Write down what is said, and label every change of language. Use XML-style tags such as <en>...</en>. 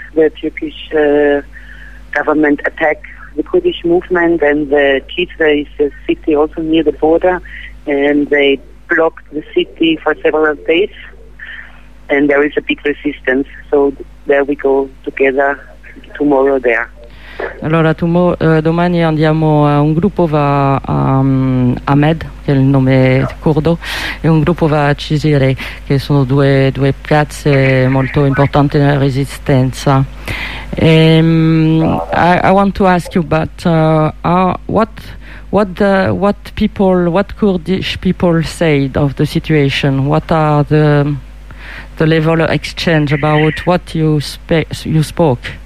<en>The Turkish government attack the Kurdish movement, and the Cizre is a city also near the border, and they blocked the city for several days, and there is a big resistance. So there we go together tomorrow there.</en> <it>Allora domani andiamo a un gruppo, va a Ahmed, che è il nome curdo, e un gruppo va a Cizre, che sono due piazze molto importanti nella resistenza.</it> <en>I want to ask you about what Kurdish people said of the situation. What are the level of exchange about what you spoke?</en>